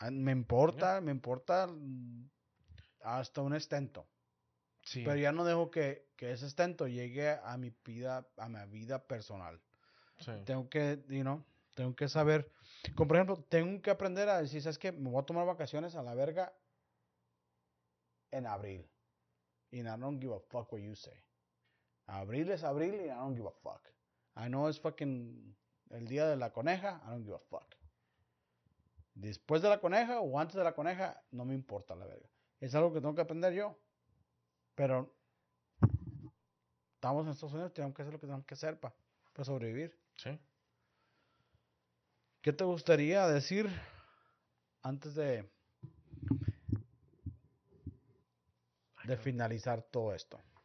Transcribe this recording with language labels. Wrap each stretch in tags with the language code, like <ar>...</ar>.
<es>Me importa, yeah. Me importa hasta un estento. Sí. Pero ya no dejo que ese estento llegue a mi vida personal. Sí. Tengo que,</es> <en>you know,</en> <es>tengo que saber. Como por ejemplo, tengo que aprender a decir, ¿sabes qué? Me voy a tomar vacaciones a la verga en abril.</es> <en>And I don't give a fuck what you say.</en> <es>Abril es abril y</es> <en>I don't give a fuck. I know it's fucking</en> <es>el día de la coneja,</es> <en>I don't give a fuck.</en> <es>Después de la coneja o antes de la coneja, no me importa la verga. Es algo que tengo que aprender yo. Pero estamos en Estados Unidos, tenemos que hacer lo que tenemos que hacer para sobrevivir. Sí. ¿Qué te gustaría decir antes de finalizar todo esto?</es>